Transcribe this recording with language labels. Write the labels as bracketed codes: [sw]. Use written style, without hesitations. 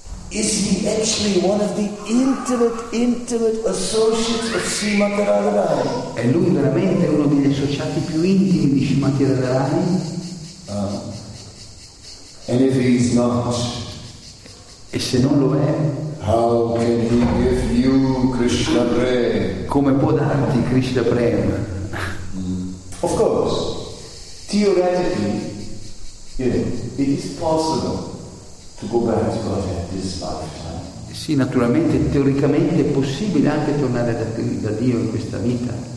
[en] Is he actually one of the intimate associates of Srimati Radharani? [it] È lui veramente uno degli associati più intimi di Srimati Radharani? [en] And if he's not, [it] e se non lo è, [en] how can he give you Krishna Prem? [it] Come può darti Krishna Prem? [en] Of course, theoretically, it is possible to go back to Godhead this lifetime. [it] Sì, naturalmente, teoricamente è possibile anche tornare da Dio in questa vita.